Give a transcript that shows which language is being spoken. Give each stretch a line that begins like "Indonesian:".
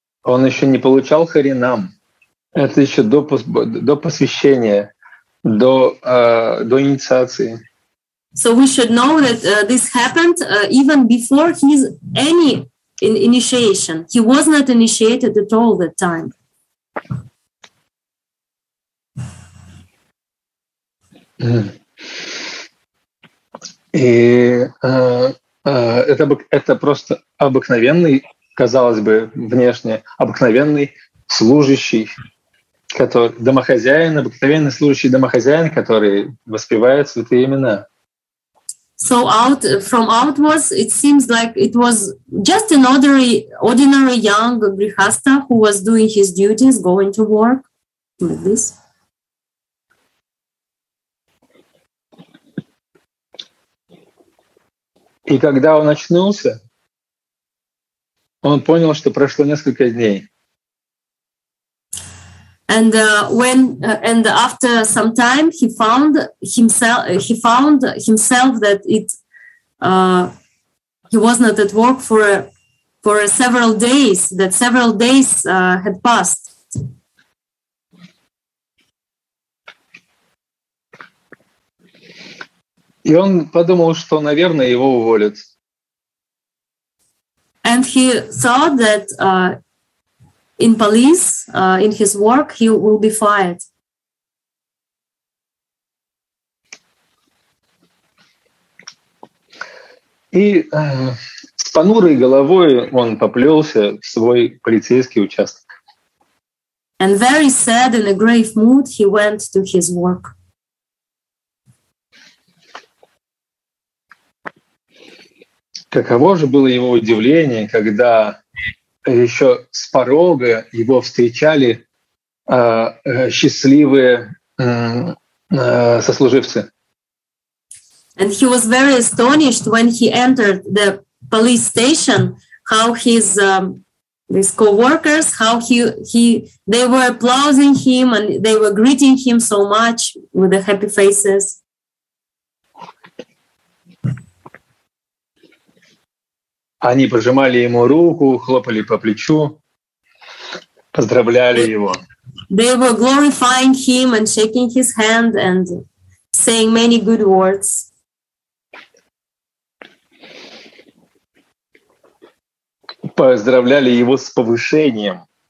Russian: Он еще не получал харинам. Это еще до посвящения, до инициации.
English: So we should know that this happened even before his any initiation. He was not initiated at all that time.
Russian: И это просто обыкновенный, казалось бы, внешне обыкновенный служащий, который домохозяин, обыкновенный служащий домохозяин, который воспевает святые имена.
English: So from outwards, it seems like it was just an ordinary young grihastha who was doing his duties, going to work with this.
Russian: И когда он очнулся, он понял, что прошло несколько дней.
English: And and after some time, he found himself that it he was not at work for several days. That several days had passed.
Russian: И он подумал, что, наверное, его уволят.
English: And he thought that in police, in his work, he will be fired.
Russian: И с понурой головой он поплелся в свой полицейский участок.
English: And very sad, in a grave mood, he went to his work.
Russian: Каково же было его удивление, когда еще с порога его встречали счастливые сослуживцы.
English: And he was very astonished when he entered the police station, how his his co-workers, how they were applauding him and they were greeting him so much with the happy faces.
Russian: Они пожимали ему руку, хлопали по плечу, поздравляли его.
English: They were glorifying him and shaking his hand and saying many good words.
Russian: Поздравляли его с повышением.